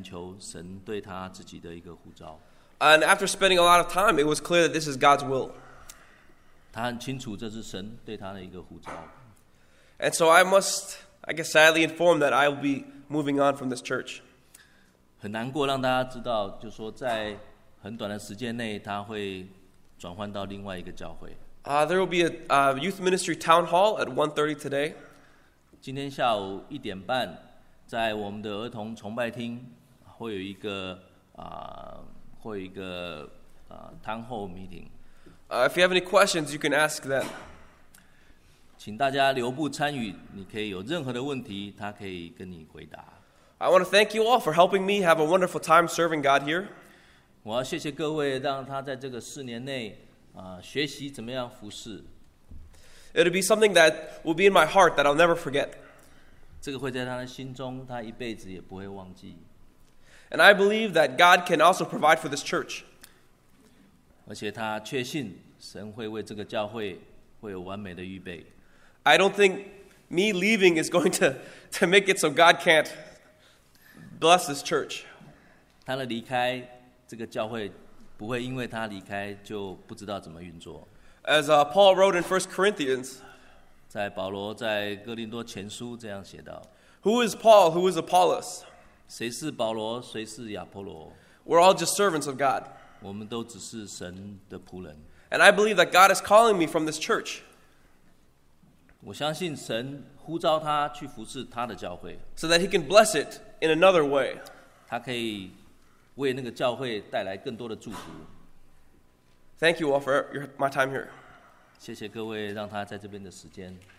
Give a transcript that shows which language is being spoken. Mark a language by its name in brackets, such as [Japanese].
[Chinese] 在过去有蛮长的一段时间在祷告里面寻求神对他自己的一个呼召。 [English] And after spending a lot of time, it was clear that this is God's will. [Chinese] 他很清楚这是神对他的一个呼召。 [English] And so I must, I guess sadly inform that I will be moving on from this church. [Chinese] 很难过让大家知道, 就说在很短的时间内, 他会转换到另外一个教会。 [English] There will be a youth ministry town hall at 1:30 today. [Chinese] 今天下午1点半, 在我们的儿童崇拜厅, 会有一个, 会有一个, town hall meeting. [English] If you have any questions, you can ask them. [Chinese] 请大家留步参与, 你可以有任何的问题, 他可以跟你回答。 [English] I want to thank you all for helping me have a wonderful time serving God here. [Chinese] 我要谢谢各位让他在这个4年内, 学习怎么样服侍。 [English] It'll be something that will be in my heart that I'll never forget. [Chinese] 这个会在他的心中, 他一辈子也不会忘记。 [English] And I believe that God can also provide for this church. [Chinese] 而且他确信神会为这个教会会有完美的预备。 [English] I don't think me leaving is going to make it so God can't bless this church. [Chinese] 他的离开, 这个教会不会因为他离开就不知道怎么运作。 [English] As Paul wrote in 1 Corinthians, [Chinese] 在保罗在哥林多前书这样写道, [English] Who is Paul? Who is Apollos? [Chinese] 谁是保罗, 谁是亚波罗? [English] We're all just servants of God. [Chinese] 我们都只是神的仆人。 [English] And I believe that God is calling me from this church. [Chinese] 我相信神呼召他去服侍他的教会。 [English] So that he can bless it in another way. [Chinese] 他可以为那个教会带来更多的祝福。 [English] Thank you all for my time here. [Chinese] 谢谢各位让他在这边的时间。